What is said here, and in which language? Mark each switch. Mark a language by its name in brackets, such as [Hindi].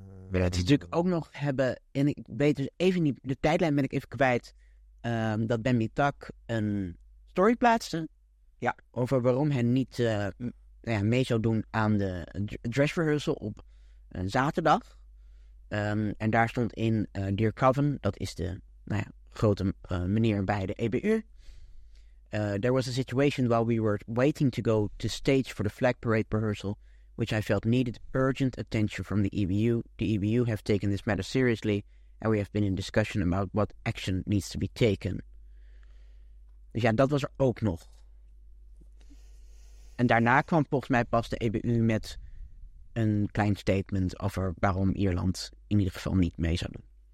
[Dutch] Het is natuurlijk ook nog hebben, en ik weet dus even niet, de tijdlijn ben ik even kwijt, dat Bambi Tak een story plaatste. Ja. Over waarom hij niet mee zou doen aan de dress rehearsal op zaterdag. En daar stond in Dear Coven, dat is de grote meneer bij de EBU. [English] There was a situation while we were waiting to go to stage for the flag parade rehearsal, which I felt needed urgent attention from the EBU. The EBU have taken this matter seriously, and we have been in discussion about what action needs to be taken. [Dutch] Dus ja, dat was er ook nog. En daarna kwam volgens mij pas de EBU met een klein statement over waarom Ierland in ieder geval niet mee zou doen.